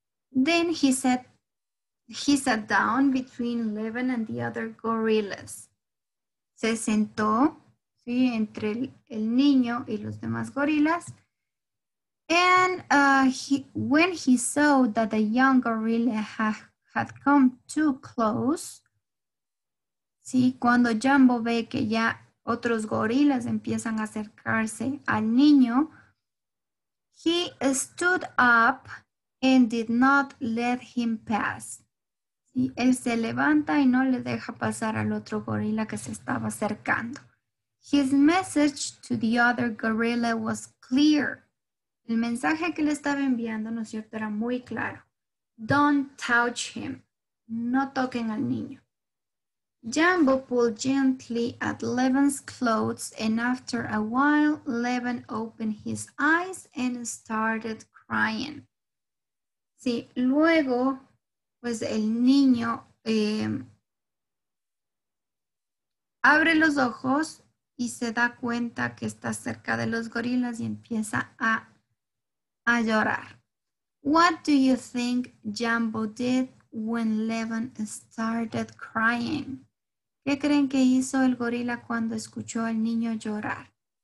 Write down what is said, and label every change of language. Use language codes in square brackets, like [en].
[en] Then he sat down between Levin and the other gorillas. [es] Se sentó, sí, entre el niño y los demás gorilas. [en] And when he saw that the young gorilla had come too close, [es] sí, cuando Jumbo ve que ya otros gorilas empiezan a acercarse al niño, [en] he stood up and did not let him pass. [es] Sí, él se levanta y no le deja pasar al otro gorila que se estaba acercando. [en] His message to the other gorilla was clear. [es] El mensaje que le estaba enviando, ¿no es cierto?, era muy claro. [en] Don't touch him. [es] No toquen al niño. [en] Jumbo pulled gently at Levin's clothes, and after a while, Levin opened his eyes and started crying. [es] Sí, luego, pues el niño abre los ojos y se da cuenta que está cerca de los gorilas y empieza a llorar. [en] What do you think Jumbo did when Levin started crying? [es] ¿Qué creen que hizo el gorila cuando escuchó al niño llorar?